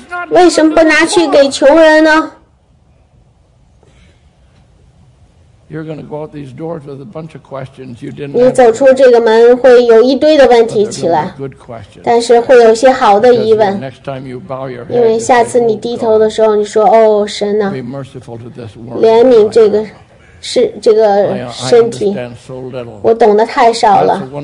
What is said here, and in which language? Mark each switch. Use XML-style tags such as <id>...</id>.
<zh>为什么不拿去给穷人呢？</zh> <en>You're going to go out these doors with a bunch of questions you didn't.</en> <zh>你走出这个门会有一堆的问题起来，但是会有些好的疑问。因为下次你低头的时候，你说：“哦，神呐、怜悯这个。” 是这个身体，我懂得太少了。</zh>